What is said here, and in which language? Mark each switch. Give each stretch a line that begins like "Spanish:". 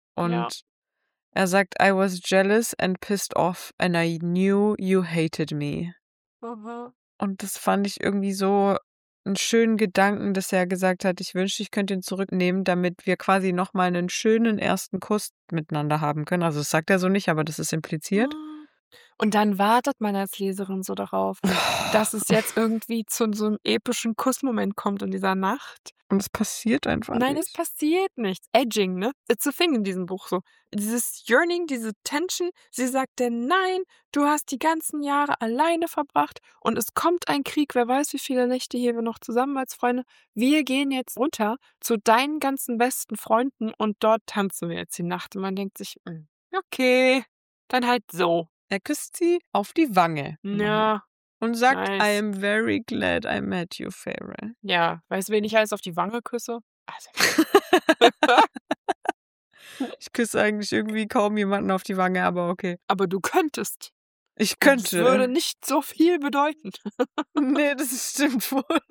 German: Und er sagt,
English: I was jealous and pissed off and I knew you hated me.
German: Und das fand ich irgendwie so einen schönen Gedanken, dass er gesagt hat, ich wünschte, ich könnte ihn zurücknehmen, damit wir quasi nochmal einen schönen ersten Kuss miteinander haben können. Also das sagt er so nicht, aber das ist impliziert. Und dann wartet man als Leserin so darauf, dass es jetzt irgendwie zu so einem epischen Kussmoment kommt in dieser Nacht. Und es passiert einfach nicht. Nein, es passiert nichts. Edging, ne?
English: It's a thing
German: in diesem Buch so. Dieses Yearning, diese Tension. Sie sagt dir, nein, du hast die ganzen Jahre alleine verbracht und es kommt ein Krieg. Wer weiß, wie viele Nächte hier wir noch zusammen als Freunde. Wir gehen jetzt runter zu deinen ganzen besten Freunden und dort tanzen wir jetzt die Nacht. Und man denkt sich, okay, dann halt so. Er küsst sie auf die Wange. Ja. Und sagt, nice.
English: I am very glad I met you, Farah.
German: Ja, weißt du, wen ich alles auf die Wange küsse? Also. Ich küsse eigentlich irgendwie kaum jemanden auf die Wange, aber okay. Aber du könntest. Ich könnte. Das würde nicht so viel bedeuten. Nee, das stimmt wohl.